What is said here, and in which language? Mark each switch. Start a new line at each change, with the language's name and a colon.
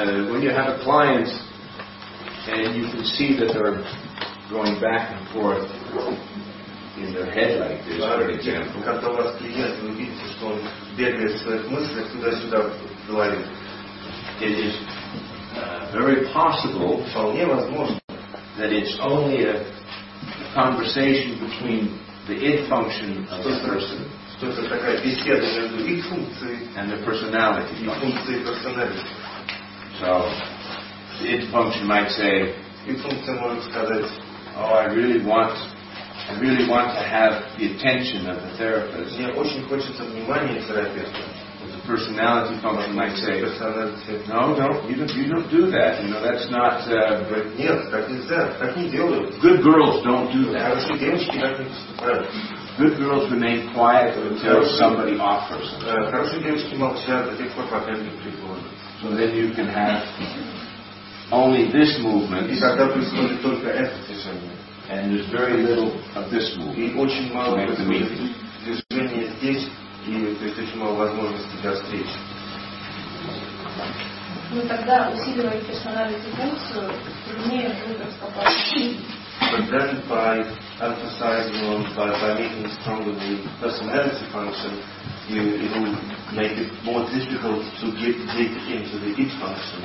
English: When you have a client and you can see that they're going back and forth in their head like this, for example.
Russian: Когда у вас клиент, вы видите, что он бегает в своих мыслях туда-сюда, говорит,
English: it is very possible.
Russian: Вполне возможно.
English: That it's only a conversation between the it function of the person and the personality function. So the it function might say, oh, I really want to have the attention of the therapist. But the personality function might say, no, you don't do that. You know, that's not.
Russian: But нет, так нельзя, так не делают.
English: Good girls don't do that.
Russian: Хорошие девочки так не поступают.
English: Good girls remain quiet until somebody offers.
Russian: Хорошие девочки молчат до тех пор, пока не приходят.
English: So then you can have only this movement.
Russian: И тогда происходит только это движение.
English: And there's very little of this movement.
Russian: И очень мало движения здесь. И то есть очень мало возможностей для встречи. Ну тогда усиливать персональную функцию труднее будет попасть.
English: But then by emphasizing on by making stronger the personality function, it will make it more difficult to get into the it function.